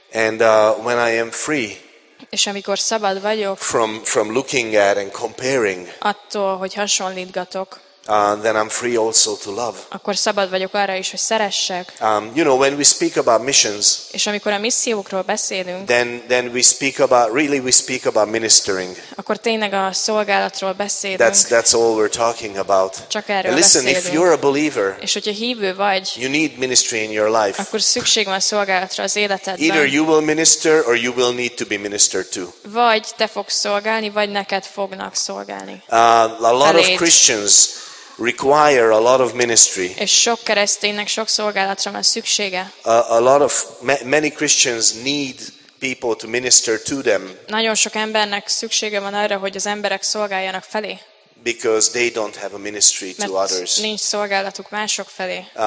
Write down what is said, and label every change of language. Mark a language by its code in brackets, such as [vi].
[en] And when I am free. [hu] És amikor szabad vagyok. [en] From looking at and comparing. [hu] Attól, hogy hasonlítgatok. [en] Then I'm free also to love. [hu] Akkor szabad vagyok arra is, hogy szeressek. [en] You know, when we speak about missions. [hu] És amikor a missziókról beszélünk. [en] Then we speak about really we speak about ministering. [hu] Akkor tényleg a szolgálatról beszélünk. [en] That's all we're talking about. [hu] Csak erről beszélünk. [en] Listen, if you're a believer. [hu] És hogyha hívő vagy. [en] You need ministry in your life. [hu] Akkor szükség van szolgálatra az életedben. [en] Either you will minister or you will need to be ministered to. [hu] Vagy te fogsz szolgálni, vagy neked fognak szolgálni. [en] A lot of Christians require a lot of ministry. [hu] És sok kereszténynek sok szolgálatra van szüksége. [en] Many Christians need people to minister to them. [hu] Nagyon sok embernek szüksége van arra, hogy az emberek szolgáljanak felé. [en] Because they don't have a ministry to others. [hu] Mert nincs szolgálatuk mások felé.